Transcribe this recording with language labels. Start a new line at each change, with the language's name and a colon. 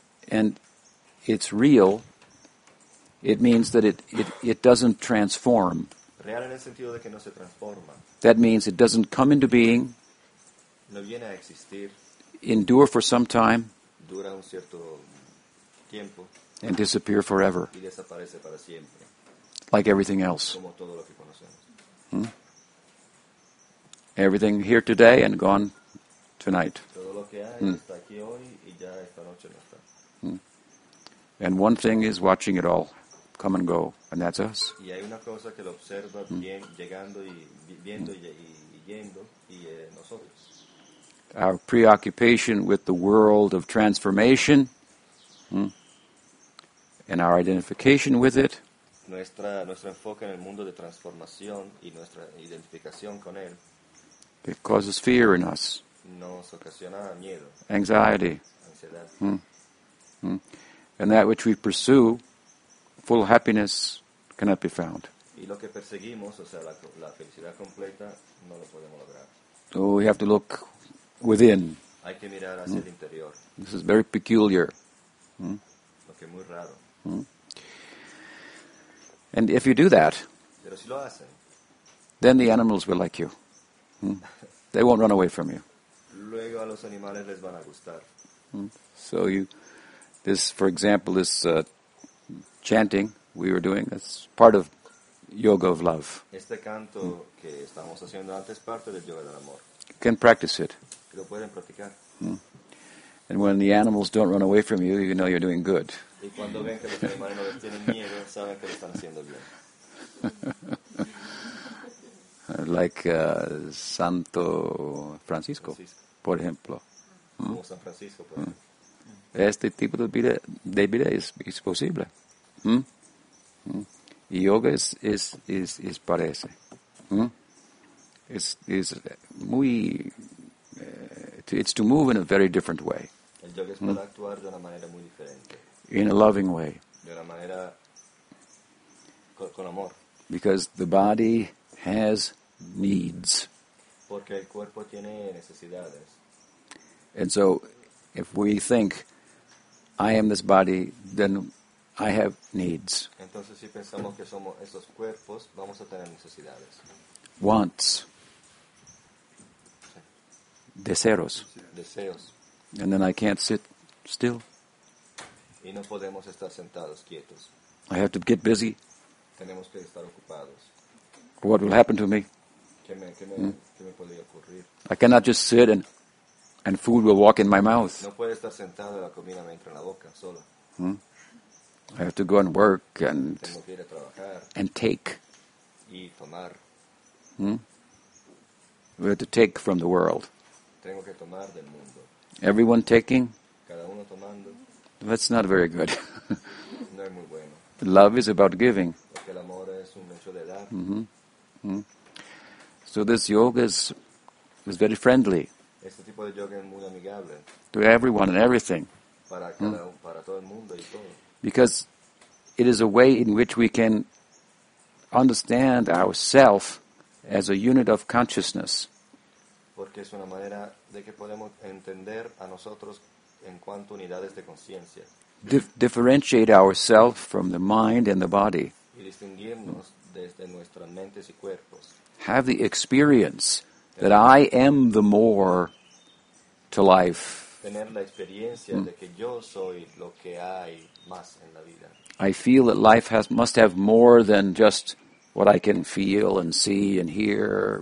English: And it's real, it means that it doesn't transform.
Spanish: Real en el sentido de que no se transforma.
English: That means it doesn't come into being,
Spanish: no viene a existir,
English: endure for some time,
Spanish: dura un cierto tiempo,
English: and disappear forever.
Spanish: Y desaparece para siempre.
English: Like everything else.
Spanish: Como todo lo que conocemos.
English: Everything here today and gone tonight.
Spanish: Todo lo que hay está aquí hoy y ya esta noche no está.
English: And one thing is watching it all come and go, and that's us.
Spanish: Y hay una cosa que lo observa bien, llegando y viendo y yendo y nosotros.
English: Our preoccupation with the world of transformation and our identification with it.
Spanish: Nuestro enfoque en el mundo de transformación y nuestra identificación con él.
English: It causes fear in us.
Spanish: Nos ocasiona miedo.
English: Anxiety.
Spanish: Ansiedad.
English: And that which we pursue, full happiness, cannot be found.
Spanish: Y lo que perseguimos, o sea, la felicidad completa, no lo podemos lograr.
English: So we have to look within.
Spanish: Hay que mirar hacia el interior.
English: This is very peculiar.
Spanish: Lo que es muy raro.
English: And if you do that,
Spanish: pero si lo hacen,
English: then the animals will like you. They won't run away from you.
Spanish: Luego a los animales les van a gustar.
English: So for example, this chanting we were doing, that's part of yoga of love.
Spanish: Este canto que estamos haciendo antes parte del yoga del amor.
English: You can practice it.
Spanish: Lo pueden practicar.
English: And when the animals don't run away from you, you know you're doing good.
Spanish: Y cuando ven que los animales no les tienen miedo, saben que lo están haciendo bien.
English: Like Santo Francisco,
Spanish: por ejemplo. Como San Francisco, por ejemplo. Este tipo de vida es posible. Y yoga es para ese. Es muy...
English: it's to move in a very different way.
Spanish: El yoga es para actuar de una manera muy diferente.
English: In a loving way.
Spanish: De una manera con amor.
English: Because the body has needs.
Spanish: Porque el cuerpo tiene necesidades.
English: And so if we think I am this body, then I have needs.
Spanish: Entonces, si pensamos que somos esos cuerpos, vamos a tener necesidades.
English: Wants.
Spanish: Deseos. Deseos.
English: And then I can't sit still.
Spanish: Y no podemos estar sentados quietos.
English: I have to get busy.
Spanish: Tenemos que estar ocupados.
English: What will happen to me?
Spanish: ¿Qué me podría ocurrir?
English: I cannot just sit and food will walk in my mouth.
Spanish: No puedo estar sentado y la comida me entra en la boca solo.
English: I have to go and work and
Spanish: tengo que ir a trabajar
English: and take.
Spanish: Y tomar.
English: We have to take from the world.
Spanish: Tengo que tomar del mundo.
English: Everyone taking?
Spanish: Cada uno tomando.
English: That's not very good.
Spanish: No es muy bueno.
English: Love is about giving.
Spanish: Porque el amor es un hecho de dar.
English: So this yoga is very friendly.
Spanish: Este tipo de yoga es muy amigable.
English: To everyone and everything.
Spanish: Para cada, para todo el mundo y todo.
English: Because it is a way in which we can understand ourself as a unit of consciousness.
Spanish: Porque es una manera de que podemos entender a nosotros en cuanto unidades de conciencia.
English: Differentiate ourselves from the mind and the body.
Spanish: Y distinguirnos desde nuestras mentes y cuerpos.
English: Have the experience that I am the more to life.
Spanish: Tener la experiencia de que yo soy lo que hay.
English: I feel that life must have more than just what I can feel and see and hear.